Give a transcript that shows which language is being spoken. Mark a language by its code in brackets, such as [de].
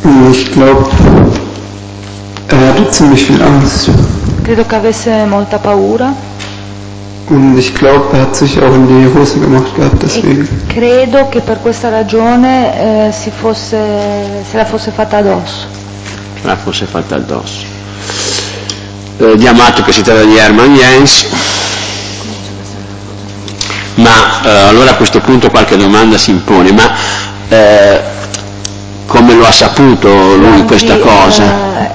[de] Ich glaube, er hatte ziemlich viel Angst. [it] Credo che avesse molta paura. [de] Und ich glaube, er hat sich auch in die Hose gemacht gehabt deswegen. [it] Credo che per questa ragione se la fosse fatta addosso. Diamo atto che si tratta di Hermann Jens, ma allora a questo punto qualche domanda si impone, ma come lo ha saputo lui questa cosa?